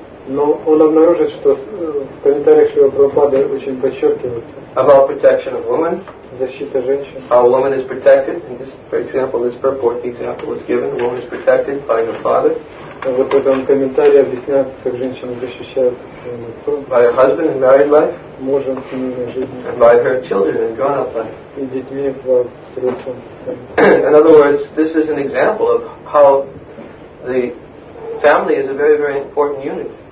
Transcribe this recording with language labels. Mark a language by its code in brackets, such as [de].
[ru] Но он обнаружит, что в комментариях Шрила Прабхупады очень подчеркивается. [en] About protection of women. [ru] Защита женщин. [en] How a woman is protected. And this, for example, this purport example was given. A woman is protected by her father. [ru] Вот в этом комментарии объясняется, как женщина защищает своим отцом. [en] By her husband and married life. [ru] Мужем, семейной жизнью. [en] And by her children and grown up life. [ru] И детьми в взрослом состоянии. [en] In other words, this is an example of how the family is a very, very important unit.